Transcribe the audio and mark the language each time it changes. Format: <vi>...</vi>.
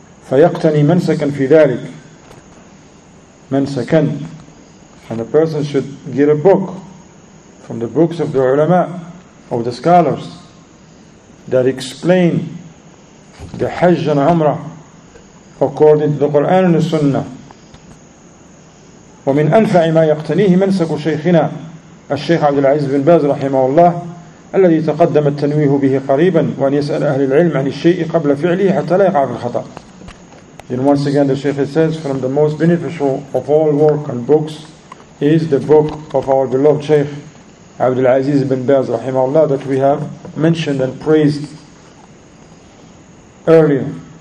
<ar>فيقتني منسكا في ذلك منسكا.</ar> <en>And a person should get a book from the books of the ulama, of the scholars, that explain the Hajj and Umrah according to the Quran and the Sunnah.</en> <ar>ومن أنفع ما يقتنيه منسك شيخنا الشيخ عبد العزيز بن باز رحمه الله الذي تقدم التنويه به قريبا وأن يسأل أهل العلم عن الشيء قبل فعله حتى لا يقع في الخطأ.</ar> <en>And once again the Shaykh says, from the most beneficial of all work and books is the book of our beloved Shaykh Abdul Aziz bin Baz رحمه الله, that we have mentioned and praised earlier.</en>